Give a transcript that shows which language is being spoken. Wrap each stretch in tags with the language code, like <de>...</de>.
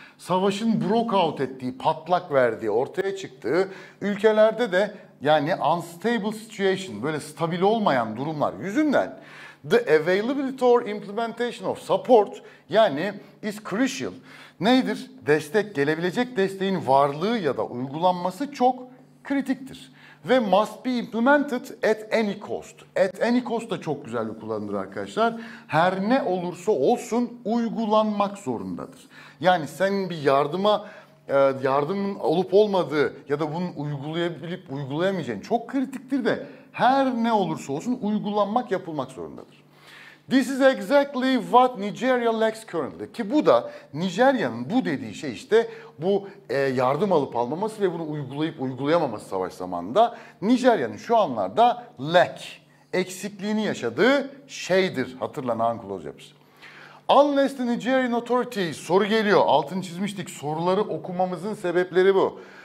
<tr>Savaşın</tr> <en>broke out</en> <tr>ettiği, patlak verdiği, ortaya çıktığı ülkelerde de yani</tr> <en>unstable situation,</en> <tr>böyle stabil olmayan durumlar yüzünden</tr> <en>the availability or implementation of support,</en> <tr>yani</tr> <en>is crucial.</en> <tr>Nedir? Destek, gelebilecek desteğin varlığı ya da uygulanması çok kritiktir.</tr> <en>Ve must be implemented at any cost. At any cost</en> <tr>da çok güzel bir kullanımdır arkadaşlar. Her ne olursa olsun uygulanmak zorundadır. Yani senin bir yardımın olup olmadığı ya da bunu uygulayabilip uygulayamayacağın çok kritiktir de her ne olursa olsun uygulanmak, yapılmak zorundadır.</tr> <en>This is exactly what Nigeria lacks currently.</en> <tr>Ki bu da Nijerya'nın bu dediği şey işte bu yardım alıp almaması ve bunu uygulayıp uygulayamaması savaş zamanında. Nijerya'nın şu anlarda lack, eksikliğini yaşadığı şeydir. Hatırla, non-close yapısı.</tr> <en>Unless the Nigerian authorities,</en> <tr>soru geliyor, altını çizmiştik, soruları okumamızın sebepleri bu.</tr>